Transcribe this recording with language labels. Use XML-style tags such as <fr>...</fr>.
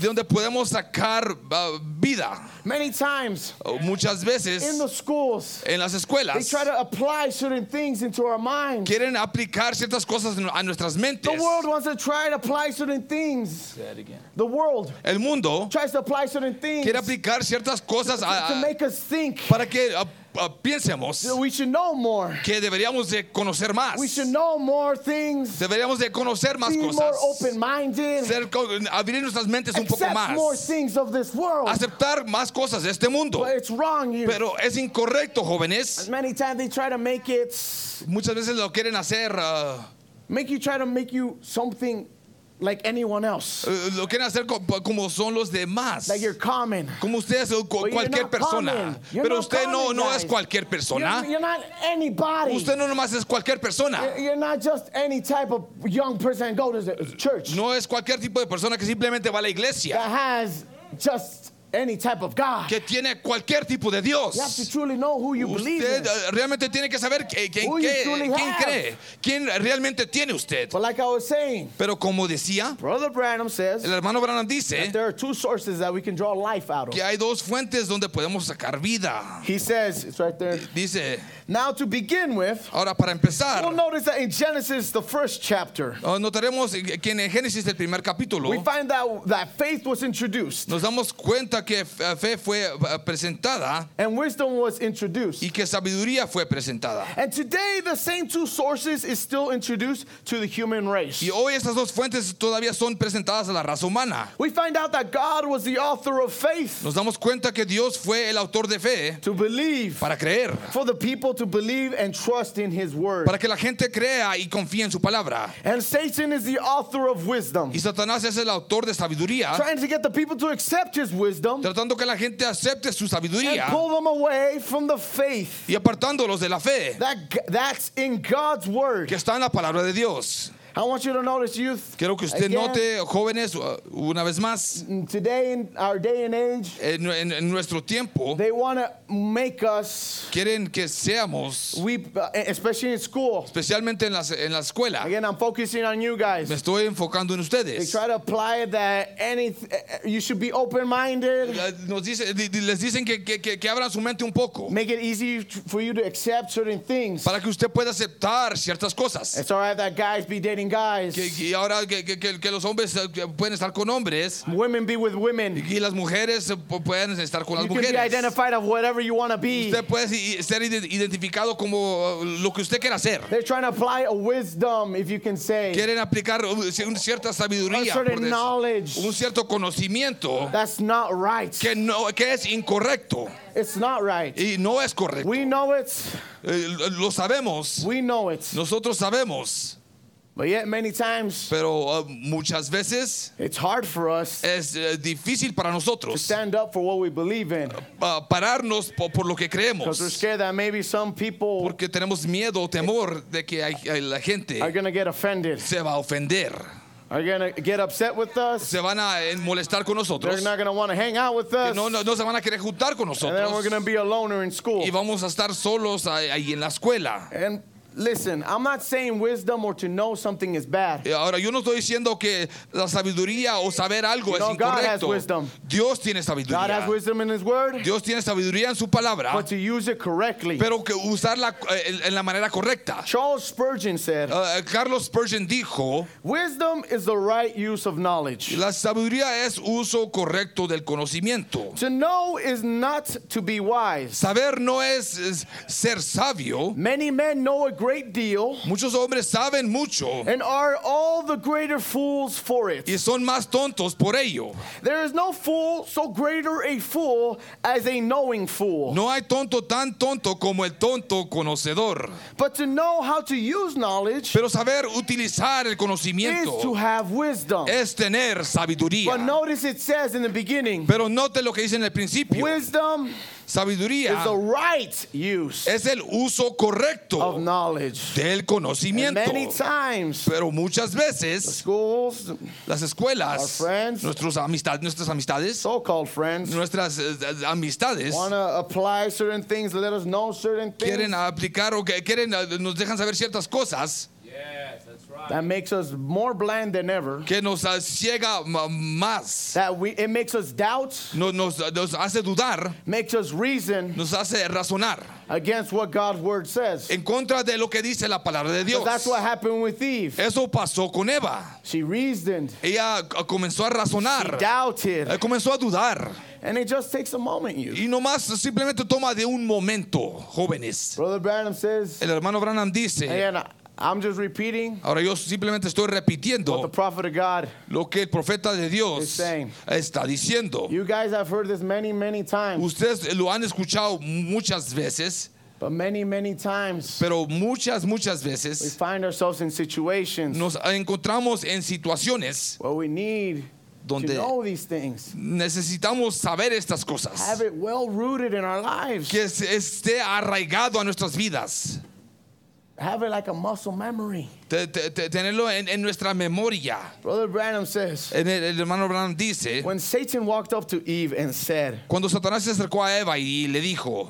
<es>De donde podemos sacar vida.</es> <en>Many times.</en> <es>Muchas veces.</es> <en>In the schools.</en> <es>En las escuelas.</es> <en>They try to apply certain things into our minds.</en> <es>Quieren aplicar ciertas cosas a nuestras mentes.</es> <en>The world wants to try to apply certain things. Say that again. The world.</en> <es>El mundo.</es> <en>Tries to apply certain things.</en> <es>Quiere aplicar ciertas cosas</es> <en>to make us think.</en> <es>Para que piensemos.</es> <en>We should know more.</en> <es>Que deberíamos de conocer más.</es> <en>We should know more things.</en> <es>Deberíamos de conocer más cosas.</es> <en>Be more open-minded.</en> <es>Abrir nuestras mentes un poco más.</es> <en>Accept more things of this world.</en> <es>Aceptar más cosas de este mundo.</es> <en>But it's wrong, you.</en> <es>Pero es incorrecto, jóvenes.</es> <en>And many times they try to make it.</en> <es>Muchas veces lo quieren hacer.</es> <en>Make you try to make you something like anyone else.</en> <es>Lo quieren hacer como son los demás.</es> <en>That you're common.</en> <es>Como ustedes cualquier persona. Pero usted no es cualquier persona.</es> <en>You're not anybody.</en> <es>Usted no nomás es cualquier persona.</es> <en>You're not just any type of young person that goes to church.</en> <es>No es cualquier tipo de persona que simplemente va a la iglesia.</es> <en>That has just any type of God.</en> <es>Que tiene cualquier tipo de Dios.</es> <en>You have to truly know who you</en> <es>usted</es> <en>believe in.</en> <es>Usted realmente tiene que saber quién cree. Quién realmente tiene usted.</es> <en>But like I was saying.</en> <es>Pero como decía.</es> <en>Brother Branham says.</en> <es>El hermano Branham dice.</es> <en>That there are two sources that we can draw life out of.</en> <es>Que hay dos fuentes donde podemos sacar vida.</es> <en>He says. It's right there.</en> <es>Dice.</es> <en>Now to begin with.</en> <es>Ahora para empezar.</es> <en>We'll notice that in Genesis the first chapter.</en> <es>Notaremos que en Génesis el primer capítulo.</es> <en>We find out that faith was introduced.</en> <es>Nos damos cuenta que fe fue presentada</es> <en>and wisdom was introduced.</en> <es>Y que sabiduría fue presentada.</es> <en>And today the same two sources is still introduced to the human race.</en> <es>Y hoy estas dos fuentes todavía son presentadas a la raza humana.</es> <en>We find out that God was the author of faith.</en> <es>Nos damos cuenta que Dios fue el autor de fe.</es> <en>To believe.</en> <es>Para creer.</es> <en>For the people to believe and trust in his word.</en> <es>Para que la gente crea y confíe en su palabra.</es> <en>And Satan is the author of wisdom.</en> <es>Y Satanás es el autor de sabiduría.</es> <en>Trying to get the people to accept his wisdom.</en> <es>Tratando que la gente acepte su sabiduría.</es> <en>And pull them away from the faith.</en> <es>Y apartándolos de la fe.</es> <en>That's in God's word.</en> <es>Que está en la palabra de Dios.</es> <en>I want you to notice, youth.</en> <es>Quiero que usted</es> <en>again,</en> <es>note, jóvenes, una vez más.</es> <en>Today in our day and age.</en> <es>En nuestro tiempo.</es> <en>They want to make us.</en> <es>Quieren que seamos.</es> <en>We, especially in school.</en> <es>Especialmente en la escuela.</es> <en>Again, I'm focusing on you guys.</en> <es>Me estoy enfocando en ustedes.</es> <en>They try to apply that you should be open-minded.</en> <es>Les dicen que abran su mente un poco.</es> <en>Make it easy for you to accept certain things.</en> <es>Para que usted pueda aceptar ciertas cosas.</es> <en>It's all right that guys be dating dating guys.</en> <es>Y ahora que los hombres pueden estar con hombres.</es> <en>Women be with women.</en> <es>Y las mujeres pueden estar con las mujeres.</es> <en>You can be identified of whatever you want to be.</en> <es>Usted puede ser identificado como lo que usted quiera ser.</es> <en>They're trying to apply a wisdom, if you can say.</en> <es>Quieren aplicar una cierta sabiduría.</es> <en>A certain knowledge.</en> <es>Un cierto conocimiento.</es> <en>That's not right.</en> <es>Que no, que es incorrecto.</es> <en>It's not right.</en> <es>Y no es correcto.</es> <en>We know it.</en> <es>Lo sabemos.</es> <en>We know it.</en> <es>Nosotros sabemos.</es> <en>But yet many times.</en> <es>Pero muchas veces.</es> <en>It's hard for us.</en> <es>Es difícil para nosotros.</es> <en>To stand up for what we believe in.</en> <es>Pararnos por lo que creemos.</es> <en>Because we're scared that maybe some people.</en> <es>Porque tenemos miedo o temor de que la gente.</es> <en>Are going to get offended.</en> <es>Se va a ofender.</es> <en>Are going to get upset with us.</en> <es>Se van a molestar con nosotros.</es> <en>They're not going to want to hang out with us.</en> <es>No se van a querer juntar con nosotros.</es> <en>And then we're going to be a loner in school.</en> <es>Y vamos a estar solos ahí en la escuela.</es> <en>And listen, I'm not saying wisdom or to know something is bad.</en> <es>Ahora, yo no estoy diciendo que la sabiduría o saber algo</es> <en>you</en> <es>es</es> <en>know,</en> <es>incorrecto.</es> <en>God has wisdom.</en> <es>Dios tiene sabiduría.</es> <en>God has wisdom in his word.</en> <es>Dios tiene sabiduría en su palabra.</es> <en>But to use it correctly.</en> <es>Pero que usarla en la manera correcta.</es> <en>Charles Spurgeon said,</en> <es>Carlos Spurgeon dijo,</es> <en>wisdom is the right use of knowledge.</en> <es>La sabiduría es uso correcto del conocimiento.</es> <en>To know is not to be wise.</en> <es>Saber no es ser sabio.</es> <en>Many men know a great deal.</en> <es>Muchos hombres saben mucho.</es> <en>And are all the greater fools for it.</en> <es>Y son más tontos por ello.</es> <en>There is no fool so greater a fool as a knowing fool.</en> <es>No hay tonto tan tonto como el tonto conocedor.</es> <en>But to know how to use knowledge.</en> <es>Pero saber utilizar el conocimiento.</es> <en>Is to have wisdom.</en> <es>Es tener sabiduría.</es> <en>But notice it says in the beginning.</en> <es>Pero note lo que dice en el principio.</es> <en>Wisdom.</en> <es>Sabiduría</es> <en>is the right use</en> <es>es el uso correcto</es> <en>of knowledge.</en> <es>Del conocimiento.</es> <en>And many times,</en> <es>pero muchas veces,</es> <en>the schools,</en> <es>las escuelas,</es> <en>our friends,</en> <es>nuestras amistades,</es> <en>so-called friends,</en> <es>nuestras amistades,</es> <en>want to apply certain things, let us know certain things.</en> <es>Quieren aplicar o que quieren, nos dejan saber ciertas cosas.</es> <en>That makes us more bland than ever.</en> <es>Que nos ciega más.</es> <en>That it makes us doubt.</en> <es>Nos hace dudar.</es> <en>Makes us reason.</en> <es>Nos hace razonar.</es> <en>Against what God's word says.</en> <es>En contra de lo que dice la palabra de Dios.</es> <en>That's what happened with Eve.</en> <es>Eso pasó con Eva.</es> <en>She reasoned.</en> <es>Ella comenzó a razonar.</es> <en>She doubted.</en> <es>Comenzó a dudar.</es> <en>And it just takes a moment, you.</en> <es>Y nomás simplemente toma de un momento, jóvenes.</es> <en>Brother Branham says.</en> <es>El hermano Branham dice.</es> <en>Again, I'm just repeating.</en> <es>Ahora yo simplemente estoy repitiendo.</es> <en>What the prophet of God.</en> <es>Lo que el profeta de Dios</es> <en>is saying.</en> <es>Está diciendo.</es> <en>You guys have heard this many, many times.</en> <es>Ustedes lo han escuchado muchas veces.</es> <en>But many, many times.</en> <es>Pero muchas, muchas veces.</es> <en>We find ourselves in situations.</en> <es>Nos encontramos en situaciones.</es> <en>Where we need.</en> <es>Donde</es> <en>to know these things.</en> <es>Necesitamos saber estas cosas.</es> <en>Have it well rooted in our lives.</en> <es>Que esté arraigado a nuestras vidas.</es> <en>Have it like a muscle memory.</en> <es>Tenerlo en nuestra memoria.</es> <en>Brother Branham says.</en> <es>El hermano Branham dice.</es> <en>When Satan walked up to Eve and said.</en> <es>Cuando Satanás se acercó a Eva y le dijo.</es>